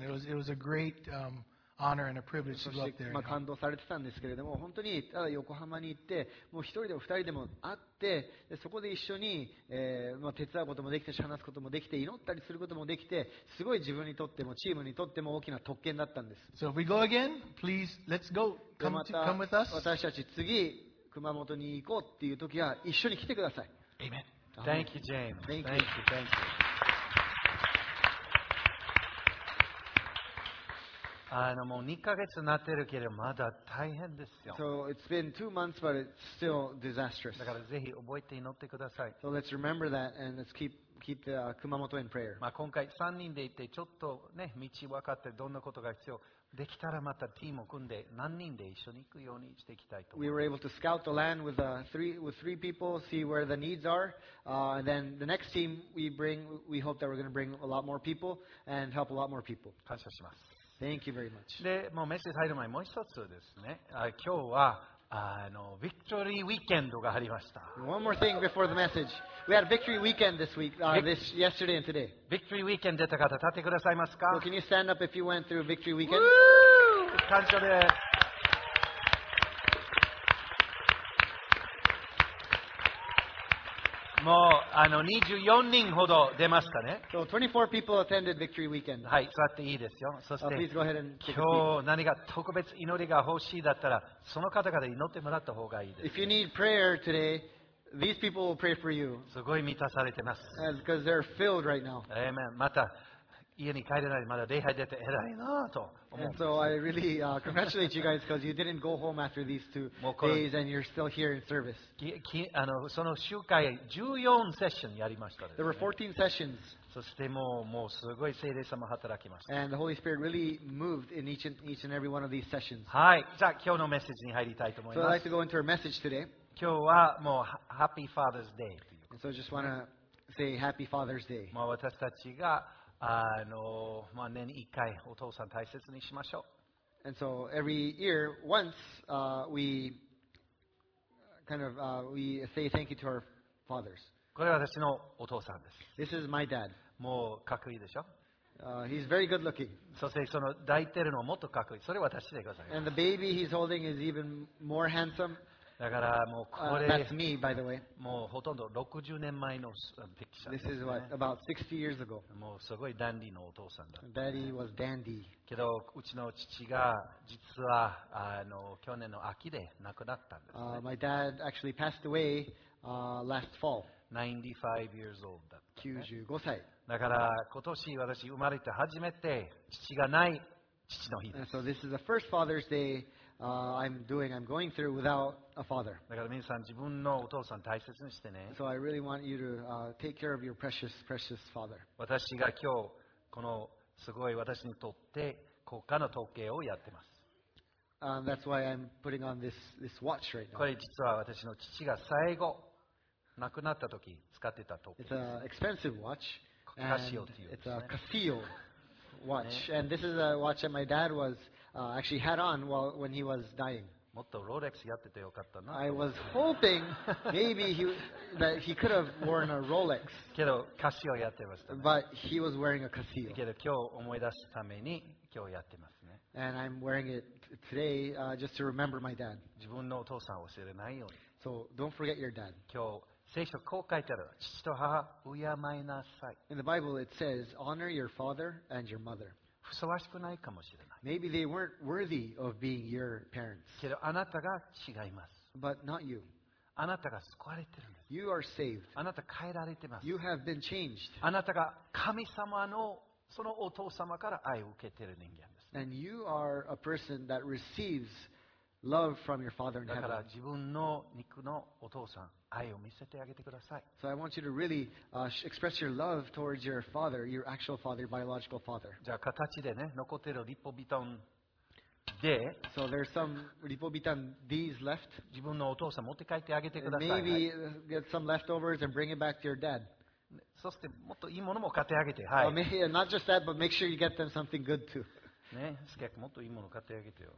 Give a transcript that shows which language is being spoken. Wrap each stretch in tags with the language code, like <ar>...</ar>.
<en>It was a great honor and a privilege to go up there.</en> <ja>まあ感動されてたんですけれども、本当にただ横浜に行って、もう一人でも二人でも会って、でそこで一緒に、まあ手伝うこともできて、話すこともできて、祈ったりすることもできて、すごい自分にとってもチームにとっても大きな特権だったんです。</ja> <en>So if we go again, please let's go. Come with us.</en> <ja>私たち次。熊本に行こうっていう時は一緒に来てください。</ja> <en>Amen. Thank you, James. Thank you.</en> <ja>あのもう2ヶ月になってるけどまだ大変ですよ。</ja> <en>So it's been two months, but it's still disastrous.</en> <ja>だからぜひ覚えて祈ってください。</ja> <en>So let's remember that and let's keep the 熊本 in prayer.</en> <ja>まあ今回3人で行ってちょっとね道分かってどんなことが必要。できたらまたチームを組んで何人で一緒に行くようにしていきたいと思います。</ja> <en>We were able to scout the land with three people, see where the needs are. And then the next team we bring, we hope that we're going to bring a lot more people and help a lot more people.</en> <ja>感謝します。</ja> <en>Thank you very much.</en> <ja>で、もうメッセージ入る前もう一つですね。今日はあのビクトリーウィーケンドがありました。</ja> <en>One more thing before the message. We had victory weekend this week, yesterday and today.</en> <ja>Victory weekend 出た方立ってくださいますか。</ja> <en>Well, can you stand up if you went through victory weekend?</en> <ja>感謝です。もうあの24人ほど出ましたね。</ja> <en>So 24 people attended Victory Weekend.</en> <ja>はい、座っていいですよ。そして、</ja> <en>please go ahead and take a seat.</en> <ja>今日何か特別祈りが欲しいだったら、その方々に祈ってもらった方がいいです。</ja> <en>If you need prayer today, these people will pray for you.</en> <ja>すごい満たされてます。</ja> <en>Because they're filled right now. Amen.</en> <ja>また家に帰れないまだ礼拝出て偉いなと思う。</ja> <en>And so I really congratulate you guys because you didn't go home after these two days and you're still here in service.</en> <ja>あのその集会14セッションやりました</ja> <en>ね。There were 14 sessions.</en> <ja>そしてもうすごい聖霊様働きました。</ja> <en>And the Holy Spirit really moved in each and every one of these sessions.</en> <ja>はい、じゃあ今日のメッセージに入りたいと思います。</ja> <en>So I'd like to go into our message today.</en> <ja>今日はもうハッピーファーザーズデー。</ja> <en>And so I just want to say Happy Father's Day.</en> <ja>まあ私たちがまあ年に1回お父さん大切にしましょう。</ja> <en>And so every year once we kind of we say thank you to our fathers.</en> <ja>これは私のお父さんです。</ja> <en>This is my dad.</en> <ja>もうかっこいいでしょ。</ja> <en>He's very good looking.</en> <ja>そしてその抱いてるのもっとかっこいい。それは私でございます。</ja> <en>And the baby he's holding is even more handsome.</en> <ja>だからもうこれ、</ja> <en>that's me, by the way.</en> <ja>もうほとんど60年前のピクチャーです、ね。</ja> <en>This is what, about 60 years ago.</en> <ja>もうすごいダンディのお父さんだ。</ja> <en>Daddy was dandy.</en> <ja>けどうちの父が実は去年の秋で亡くなったんです、ね。</ja> <en>My dad actually passed away last fall. 95 years old</en> <ja>だった、ね。95歳。だから今年私生まれて初めて父がない父の日です。</ja> <en>And、so this is the first Father's Day. I'm going through without a father.</en> <ja>だから皆さん自分のお父さん大切にしてね。</ja> <en>So I really want you to take care of your precious, precious father.</en> <ja>私が今日このすごい私にとって高価な時計をやってます。</ja> <en>That's why I'm putting on this watch right now.</en> <ja>これ実は私の父が最後亡くなった時使ってた時計です。</ja> <en>It's an expensive watch.</en> <ja>カシオっていうんですね。</ja> <en>It's a Casio watch. And this is a watch that my dad was. Actually had on while when he was dying.</en> <ja>もっとロレックスやっててよかったな。</ja> <en>I was hoping maybe that he could have worn a Rolex.</en> <ja>けどカシオやってましたね。</ja> <en>But he was wearing a Casio.</en> <ja>けど今日思い出すために今日やってますね。</ja> <en>And I'm wearing it today just to remember my dad.</en> <ja>自分のお父さんを忘れないように。</ja> <en>So don't forget your dad.</en> <ja>今日聖書こう書いてある。父と母敬いなさい。</ja> <en>In the Bible it says honor your father and your mother.</en> <ja>ふさわしくないかもしれない。</ja> <en>Maybe they weren't worthy of being your parents.</en> <ja>けどあなたが違います。</ja> <en>But not you.</en> <ja>あなたが救われてるんです。</ja> <en>You are saved.</en> <ja>あなた変えられてます。</ja> <en>You have been changed.</en> <ja>あなたが神様のそのお父様から愛を受けてる人間です。</ja> <en>And you are a person that receives love from your father in heaven.</en> <ja>だから自分の肉のお父さん、愛を見せてあげてください。</ja> <en>So I want you to really express your love towards your father, your actual father, biological father.</en> <ja>じゃあ形でね、残ってるリポビタンで、</ja> <en>So there's some Lipobitan D's left.</en> <ja>自分のお父さん持って帰ってあげてください。</ja> <en>Maybe get some leftovers and bring it back to your dad.</en> <ja>そしてもっといいものも買ってあげて。はい。</ja> <en>Not just that, but make sure you get them something good too.</en> <ja>ね、スケックもっといいもの買ってあげてよ。</ja>